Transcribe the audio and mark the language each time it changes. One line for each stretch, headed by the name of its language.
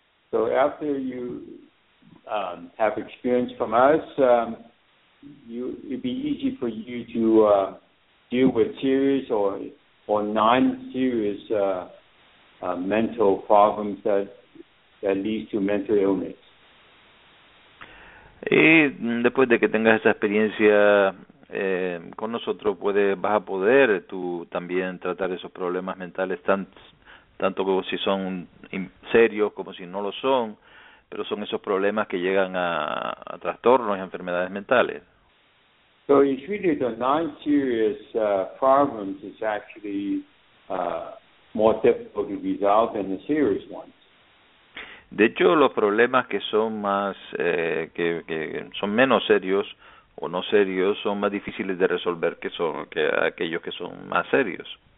English: So after you have experience from us, it'd be easy for you to deal with serious or non-serious mental problems that leads to mental illness.
Spanish: Y después de que tengas esa experiencia con nosotros, vas a poder tú también tratar esos problemas mentales tanto como si son serios como si no lo son, pero son esos problemas que llegan a trastornos y enfermedades mentales.
English: So it's really the non-serious problems is actually more difficult to resolve than the serious ones.
Spanish: De hecho, los problemas que son más que son menos serios o no serios son más difíciles de resolver que aquellos que son más serios.